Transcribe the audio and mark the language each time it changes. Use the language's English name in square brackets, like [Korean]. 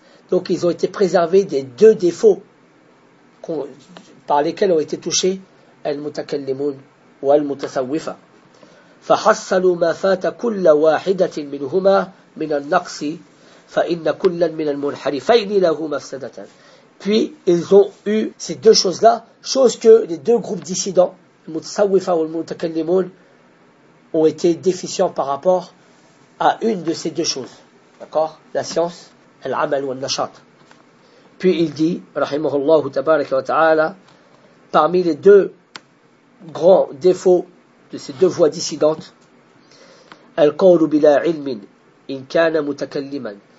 [French] Donc ils ont été préservés des deux défauts par lesquels ont été touchés al-mutakallimun ou al-mutasawwifa. [Arabic] فحصلوا ما فات كل واحدة منهما من النقص فإن كلا من المنحرفين له مفسدة. [French] Puis ils ont eu ces deux choses-là, chose que les deux groupes dissidents, le Mutsawifa ou le Mutakallimun, ont été déficients par rapport à une de ces deux choses. D'accord ? La science, l'amal ou l'nashat. Puis il dit, rahimahullah tabaraka wa ta'ala, parmi les deux grands défauts de ces deux voix dissidentes, [Arabic] al-qawlu bila ilmin in kana mutakalliman.